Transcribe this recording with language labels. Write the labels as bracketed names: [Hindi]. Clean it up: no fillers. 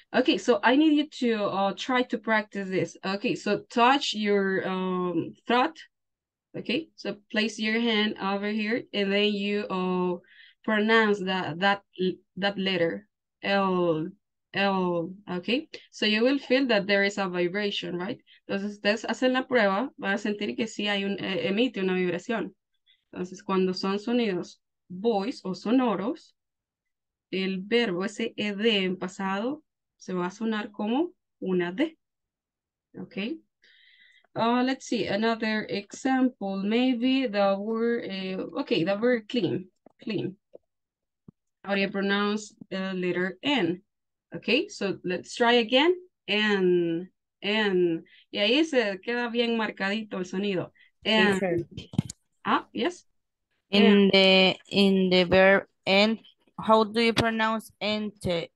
[English] Okay, so I need you to try to practice this. Okay, so touch your throat. Okay, so place your hand over here and then you pronounce that letter. L. L, okay, so you will feel that there is a vibration, right? [Spanish] Entonces, ustedes hacen la prueba, van a sentir que sí hay un, emite una vibración. Entonces, cuando son sonidos voice o sonoros, el verbo ese ed en pasado se va a sonar como una d, okay? [English] Let's see, another example, maybe the word, okay, the word clean. How do you pronounce the letter N? Okay, so let's try again. N. [Spanish] Y ahí se queda bien marcadito el sonido. [English] N. Ah, yes. In the verb end, how do you pronounce enter?